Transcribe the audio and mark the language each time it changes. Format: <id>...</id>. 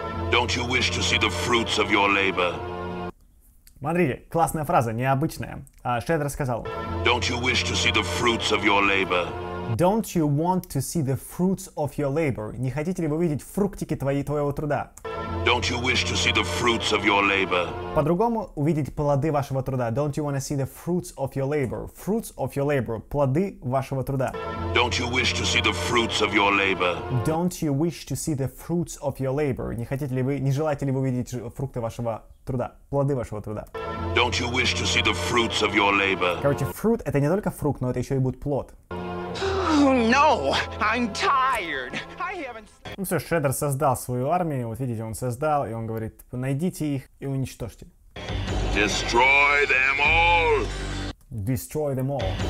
<en>Don't you wish to see the fruits of your labor?</en> <ru>Смотрите, классная фраза, необычная. Что это рассказал?</ru> <en>Don't you wish to see the fruits of your labor? Don't you want to see the fruits of your labor?</en> <ru>Не хотите ли вы видеть фруктики твоего труда?</ru> <en>Don't you wish to see the fruits of your labor?</en> <ru>По-другому, увидеть плоды вашего труда.</ru> <en>Don't you want to see the fruits of your labor? Fruits of your labor.</en> <ru>Плоды вашего труда.</ru> <en>Don't you wish to see the fruits of your labor? Don't you wish to see the fruits of your labor?</en> <ru>Не желаете ли вы увидеть фрукты вашего труда? Плоды вашего труда.</ru> <en>Don't you wish to see the fruits of your labor?</en> <ru>Короче, fruit — это не только фрукт, но это еще и будет плод.</ru> <en>No, I'm tired. I haven't.</en> <ru>Ну все, Шреддер создал свою армию. Вот видите, он создал, и он говорит: найдите их и уничтожьте.</ru> <en>Destroy them all. Destroy them all.</en>